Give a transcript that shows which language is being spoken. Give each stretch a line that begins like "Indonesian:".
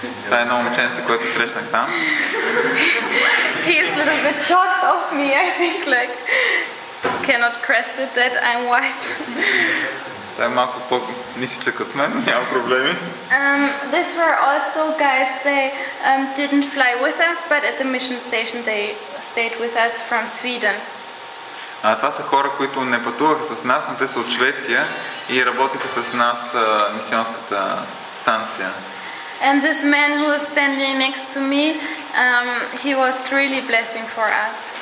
Bulgarian: Това е едно момченце, което срещнах там.
English: He's a little bit shocked of me, I think, like, cannot grasp it that I'm white.
Bulgarian: Това е малко по-нисичък от мен, няма проблеми.
English: These were also guys, they didn't fly with us, but at the mission station they stayed with us from Sweden.
Bulgarian: Това са хора, които не пътуваха с нас, но те са от Швеция и работиха с нас мисионската станция.
English: And this man who was standing next to me, he was really blessing for us.